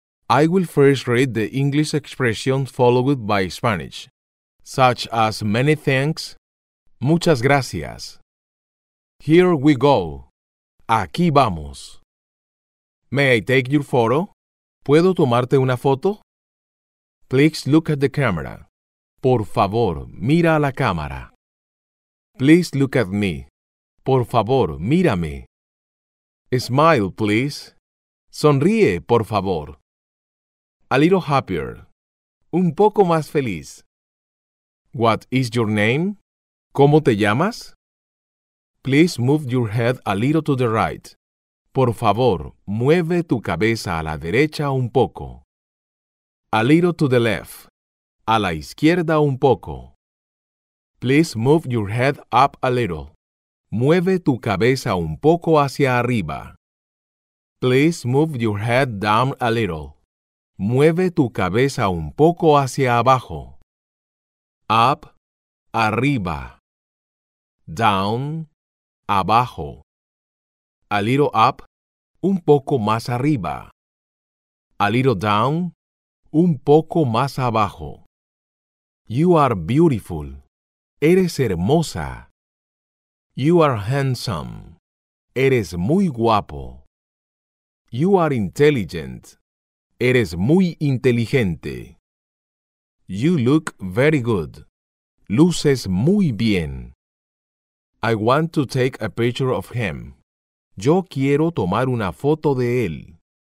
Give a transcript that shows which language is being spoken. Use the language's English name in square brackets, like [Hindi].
[English] I will first read the English expression followed by Spanish, such as many thanks, [Spanish] muchas gracias. [English] Here we go. [Spanish] Aquí vamos. [English] May I take your photo? [Spanish] ¿Puedo tomarte una foto? [English] Please look at the camera. [Spanish] Por favor, mira a la cámara. [English] Please look at me. [Spanish] Por favor, mírame. [English] Smile, please. [Spanish] Sonríe, por favor. [English] A little happier. [Spanish] Un poco más feliz. [English] What is your name? [Spanish] ¿Cómo te llamas? [English] Please move your head a little to the right. [Spanish] Por favor, mueve tu cabeza a la derecha un poco. [English] A little to the left. [Spanish] A la izquierda un poco. [English] Please move your head up a little. [Spanish] Mueve tu cabeza un poco hacia arriba. [English] Please move your head down a little. [Spanish] Mueve tu cabeza un poco hacia abajo. [English] Up, [Spanish] arriba. [English] Down, [Spanish] abajo. [English] A little up, [Spanish] un poco más arriba. [English] A little down, [Spanish] un poco más abajo. [English] You are beautiful. [Spanish] Eres hermosa. [English] You are handsome. [Spanish] Eres muy guapo. [English] You are intelligent. [Spanish] Eres muy inteligente. [English] You look very good. [Spanish] Luces muy bien. [English] I want to take a picture of him. [Spanish] Yo quiero tomar una foto de él.